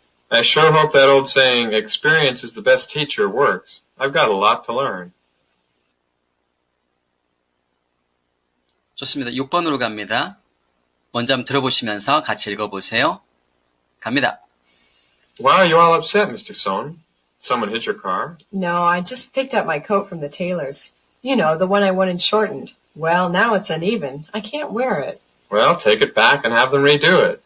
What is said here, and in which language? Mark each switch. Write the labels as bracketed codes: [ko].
[en] I sure hope that old saying, experience is the best teacher, works. I've got a lot to learn. [ko] 좋습니다. 6번으로 갑니다. 먼저 한번 들어보시면서 같이 읽어보세요. 갑니다. [en] Why are you all upset, Mr. Son? Someone hit your car? No, I just picked up my coat from the tailor's. You know, the one I wanted shortened. Well, now it's uneven. I can't wear it. Well, take it back and have them redo it.